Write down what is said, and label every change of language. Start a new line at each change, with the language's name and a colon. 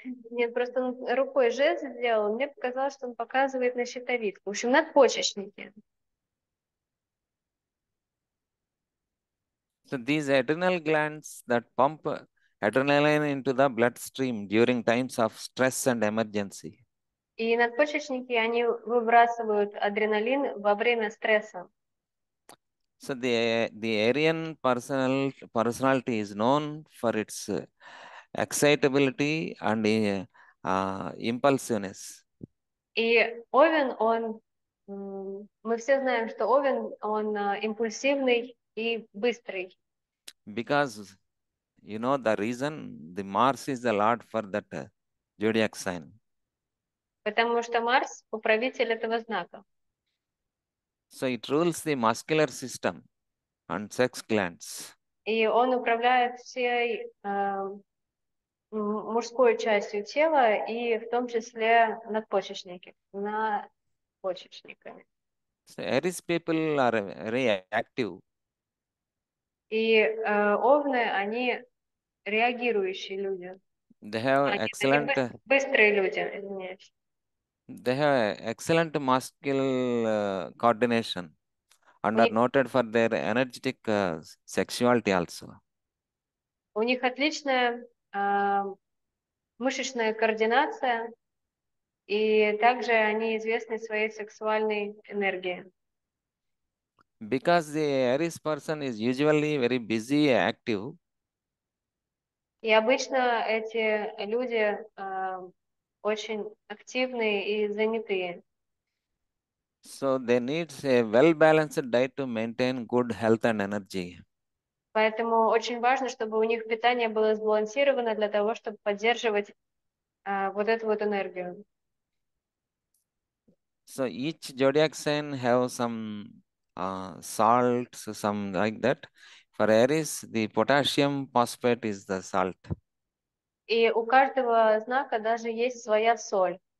Russian: Нет, просто он рукой жест сделал, мне показалось, что он показывает на щитовидку. В общем, надпочечники.
English: So these adrenal glands that pump adrenaline into the bloodstream during times of stress and emergency.
Russian: И надпочечники, они выбрасывают адреналин во время стресса.
English: So the Aryan personality is known for its excitability and impulsiveness.
Russian: И овен, он, мы все знаем, что овен, он импульсивный и быстрый.
English: Because you know the reason, the Mars is the Lord for that zodiac sign.
Russian: Потому что Марс управитель этого знака.
English: So it rules the muscular system and sex glands.
Russian: И он управляет всей мужской частью тела и в том числе надпочечники, на почечниками.
English: So, Aries people are very active.
Russian: И овны, они реагирующие люди.
English: They have
Russian: Они такие
English: excellent.
Russian: быстрые люди, извиняюсь.
English: They have excellent muscle coordination and are noted for their energetic sexuality also.
Russian: У них отличная мышечная координация, и также они известны своей сексуальной энергией.
English: Because the Aries person is usually very busy, active.
Russian: И обычно эти люди очень активные и занятые.
English: So they need a well-balanced diet to maintain good health and energy.
Russian: Поэтому очень важно, чтобы у них питание было сбалансировано для того, чтобы поддерживать вот эту вот энергию.
English: So each zodiac sign have some salts, some like that. For Aries, the potassium phosphate is the salt.
Russian: И у каждого знака даже есть своя соль.